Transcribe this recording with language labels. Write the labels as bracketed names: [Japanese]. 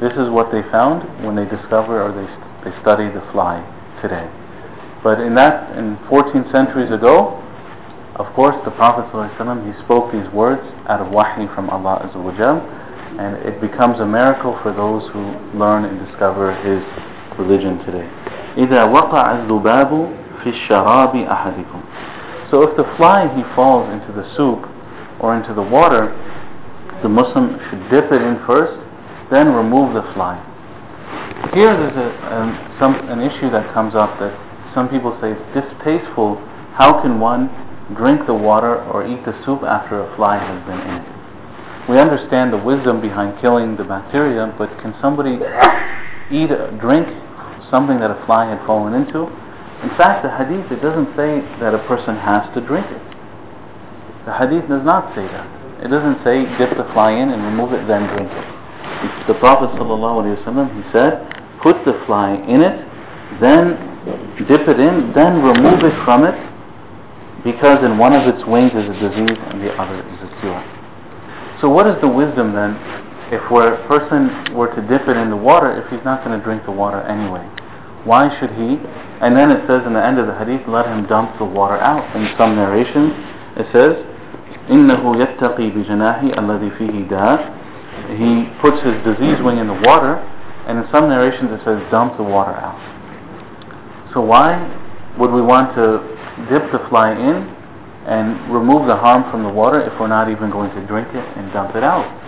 [English] This is what they found when they discovered, or they studied the fly today. But in 14 centuries ago, of course, the Prophet ﷺ, he spoke these words out of wahi from Allah Azza wa Jal, and it becomes a miracle for those who learn and discover his religion today. [Arabic] إِذَا وَقَعَ الذُّبَابُ فِي الشَّرَابِ أَحَدِكُمْ. [English] So if the fly, he falls into the soup or into the water, the Muslim should dip it in first, then remove the fly. Here there's an issue that comes up, that some people say it's distasteful. How can one drink the water or eat the soup after a fly has been in it? We understand the wisdom behind killing the bacteria, but can somebody drink something that a fly had fallen into? In fact, the hadith, it doesn't say that a person has to drink it. The hadith does not say that. It doesn't say dip the fly in and remove it then drink it. The Prophet sallallahu alaihi wasallam, he said, put the fly in it, then dip it in, then remove it from it, because in one of its wings is a disease and the other is a cure. So what is the wisdom then if a person were to dip it in the water if he's not going to drink the water anyway? Why should he? And then it says in the end of the hadith, let him dump the water out. In some narrations it says, [Arabic] إِنَّهُ يَتَّقِي بِجَنَاهِ أَلَّذِي فِيهِ دَا. [English] He puts his disease wing in the water, and in some narrations it says, dump the water out. So why would we want to dip the fly in and remove the harm from the water if we're not even going to drink it and dump it out?